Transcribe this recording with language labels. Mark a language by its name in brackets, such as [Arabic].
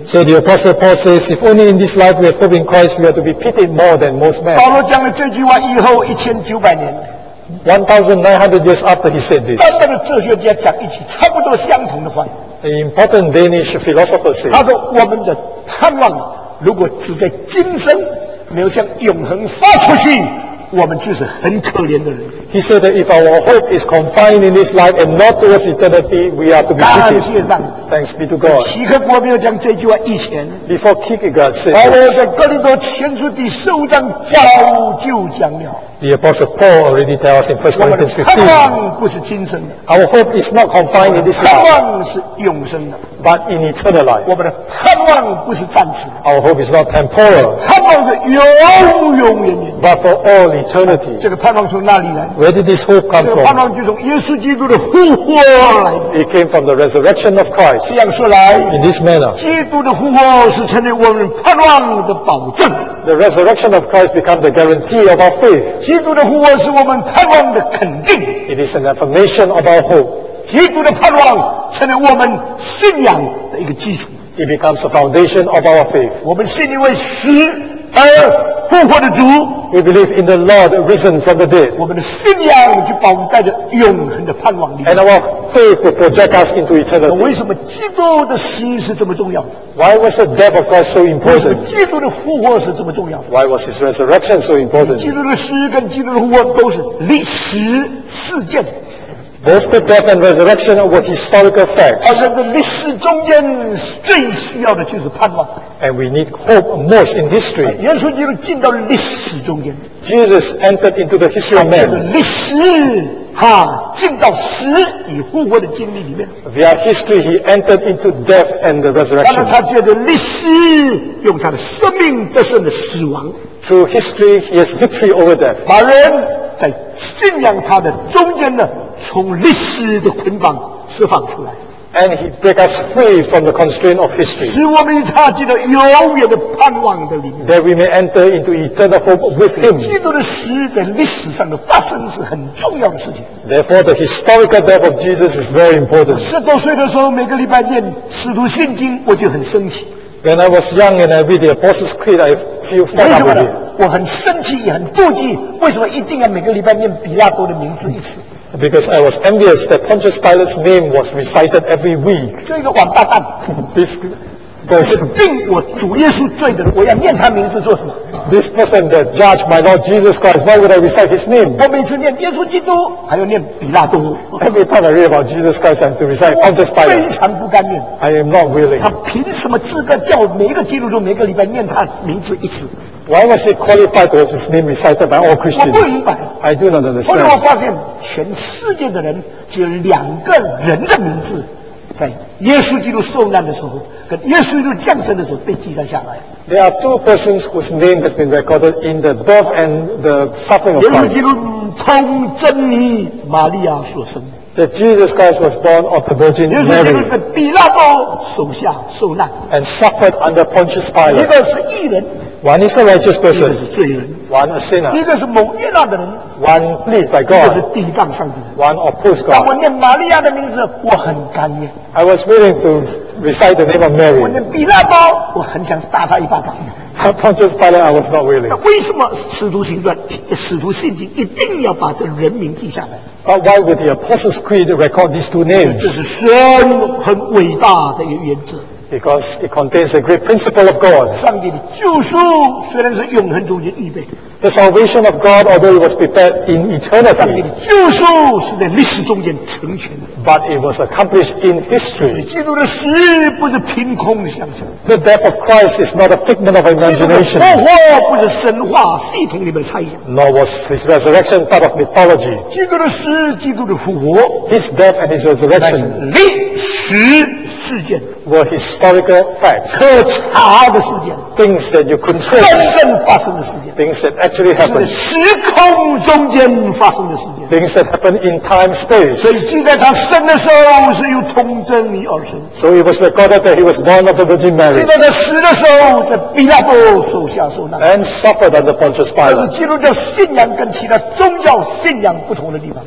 [English] So the apostle Paul says, if only in this life we have hope in Christ, we are to be pitied more than most men. [Chinese] 保罗讲了这句话以后1900年 [English] 1900 years after he said this. [Chinese] 当代的哲学家讲一句差不多相同的话。 [English] An important Danish philosopher said. [Chinese] 他说我们的盼望如果只在今生，没有向永恒发出去。我们就是很可怜的人。 [English] He said that if our hope is confined in this life and not towards eternity, we are to be pitied. [Chinese] 感谢上帝。 [English] Thanks be to God. [Chinese] 希克国没有讲这句话以前。 [English] Before Kierkegaard said this. [Chinese] 保罗在哥林多前书第十五章早就讲了。 [English] The Apostle Paul already tells us in 1 Corinthians 15. [Chinese] 我们的盼望不是今生的。 [English] Our hope is not confined in this life. [Chinese] 盼望是永生的。 [English] but in eternal life. [Chinese] 我们的盼望不是暂时的。 [English] Our hope is not temporal. [Chinese] 盼望是永永远远。 [English] But for all eternity. [Chinese] 这个盼望从哪里来？ [English] Where did this hope come from? [Chinese] 这个盼望就从耶稣基督的复活来。 [English] It came from the resurrection of Christ. [Chinese] 这样说来， [English] in this manner. [Chinese] 基督的复活是成为我们盼望的保证。 [English] The resurrection of Christ becomes the guarantee of our faith. [Chinese] 基督的复活是我们盼望的肯定。 [English] It is an affirmation of our hope. [Chinese] 基督的盼望成为我们信仰的一个基础。 [English] It becomes the foundation of our faith. [Chinese] 我们信一位死而复活的主。 [English] We believe in the Lord risen from the dead. [Chinese] 我们的信仰就保在着永恒的盼望里面。 [English] And our faith will project us into eternity. [Chinese] 为什么基督的死是这么重要？ [English] Why was the death of Christ so important? [Chinese] 为什么基督的复活是这么重要？ [English] Why was his resurrection so important? [Chinese] 基督的死跟基督的复活都是历史事件。 [English] Both the death and resurrection were historical facts. [Chinese] 而在这历史中间最需要的就是盼望。 [English] And we need hope most in history. [Chinese] 耶稣基督进到历史中间。 [English] Jesus entered into the history of man. [Chinese] 历史他进到死与复活的经历里面。 [English] Via history, he entered into death and the resurrection. [Chinese] 但是他借着历史用他的生命战胜了死亡。 [English] Through history, he has victory over death. [Chinese] 把人在信仰他的中间呢，从历史的捆绑释放出来。 [English] And he break us free from the constraint of history. [Chinese] 使我们与他进到永远的盼望的里面。 [English] That we may enter into eternal hope with him. [Chinese] 基督的死在历史上的发生是很重要的事情。 [English] Therefore, the historical death of Jesus is very important. [Chinese] 十多岁的时候，每个礼拜念使徒信经，我就很生气。 [English] When I was young and I read the Apostles' Creed, I feel fed up with it. [Chinese] 我很生气，也很妒忌，为什么一定要每个礼拜念比拉多的名字一次？ [English] Because I was envious that Pontius Pilate's name was recited every week. [Chinese] 这个王八蛋 [English] This [Chinese] 病我主耶稣罪的，我要念他名字做什么？ [English] This person that judged my Lord Jesus Christ, why would I recite his name? [Chinese] 我每次念耶稣基督，还要念比拉多。 [English] Every time I read about Jesus Christ, I have to recite Pontius Pilate. [Chinese] 非常不甘愿。 [English] I am not willing. [Chinese] 他凭什么资格叫每一个基督徒每个礼拜念他名字一次？ [English] Why was he qualified to have his name recited by all Christians? [Chinese] 我不明白。 [English] I do not understand. [Chinese] 后来我发现，全世界的人只有两个人的名字在耶稣基督受难的时候跟耶稣基督降生的时候被记载下来。 [English] There are two persons whose name has been recorded in the birth and the suffering of Christ. [Chinese] 耶稣基督从真理玛利亚所生。 [English] That Jesus Christ was born of the Virgin Mary. [Chinese] 耶稣基督在比拉多手下受难。 [English] And suffered under Pontius Pilate. [Chinese] 一个是义人。 [English] One is a righteous person. [Chinese] 一个是罪人。 [English] One a sinner. [Chinese] 一个是蒙悦纳的人。 [English] One pleased by God. [Chinese] 一个是抵挡上帝。 [English] One opposed God. [Chinese] 当我念玛利亚的名字，我很甘愿。 [English] I was willing to recite the name of Mary. [Chinese] 我念比拉多，我很想打他一巴掌。 [English] Pontius Pilate, I was not willing. [Chinese] 那为什么使徒行传、使徒信经一定要把这人名记下来？ [English] But why would the Apostles' Creed record these two names? [Chinese] 这是神很伟大的一个原则。 [English] Because it contains the great principle of God. [Chinese] 上帝的救赎虽然是永恒中间预备。 [English] The salvation of God, although it was prepared in eternity. [Chinese] 上帝的救赎是在历史中间成全的。 [English] But it was accomplished in history. [Chinese] 基督的死不是凭空的想象。 [English] The death of Christ is not a figment of imagination. [Chinese] 基督的复活不是神话系统里面猜想。 [English] Nor was his resurrection part of mythology. [Chinese] 基督的死，基督的复活。 [English] His death and his resurrection. [Chinese] 历史事件。 [English] Were historical facts. [Chinese] 可查的事件。 [English] Things that you couldn't trace. [Chinese] 真正发生的事件。 [English] Things that actually happened. [Chinese] 时空中间发生的事件。 [English] Things that happened in time space. [Chinese] 所以记载他生的时候是由童贞女而生。 [English] So it was recorded that he was born of the Virgin Mary. [Chinese] 记载他死的时候在比拉多手下受难。 [English] And suffered under Pontius Pilate. [Chinese] 这是基督教信仰跟其他宗教信仰不同的地方。